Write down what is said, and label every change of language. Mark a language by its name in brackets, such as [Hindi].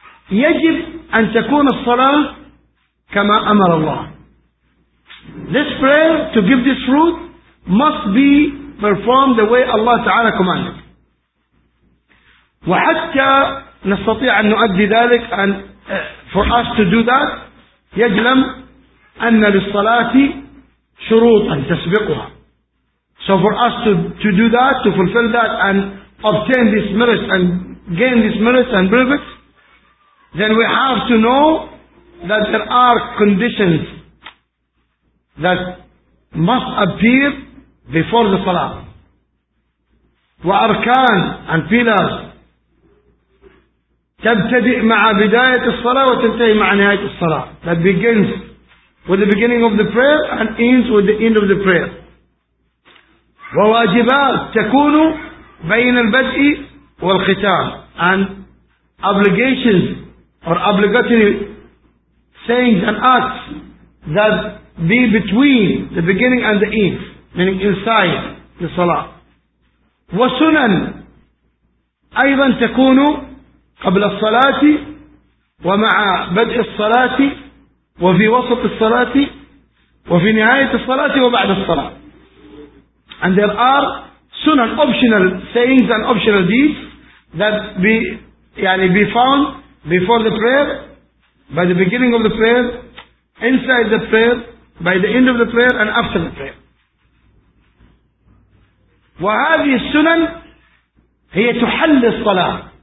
[Arabic] يجب أن تكون الصلاة كما أمر الله. [English] This prayer to give this fruit must be performed the way Allah Ta'ala commanded. [Arabic] وحتى نستطيع أن نؤدي ذلك, [English] and for us to do that, [Arabic] يجلم أن للصلاة شروطا تسبقها. [English] So for us to do that, to fulfill that and obtain this merit and gain this merit and benefit, then we have to know that there are conditions that must appear before the Salah. [Arabic] وأركان [English] and pillars [Arabic] تبتدئ مع بداية الصلاة وتنتهي مع نهاية الصلاة. [English] That begins with the beginning of the prayer and ends with the end of the prayer. [Arabic] وواجبات تكون بين البدء والختام. [English] And obligations or obligatory sayings and acts that be between the beginning and the end, meaning inside the Salah. [Arabic] وسنن أيضا تكون قبل الصلاة ومع بدء الصلاة وفي وسط الصلاة وفي نهاية الصلاة وبعد الصلاة. [English] And there are sunan, optional sayings and optional deeds that be found before the prayer, by the beginning of the prayer, inside the prayer, by the end of the prayer, and after the prayer. [Arabic] وهذه السنن هي تحل الصلاة.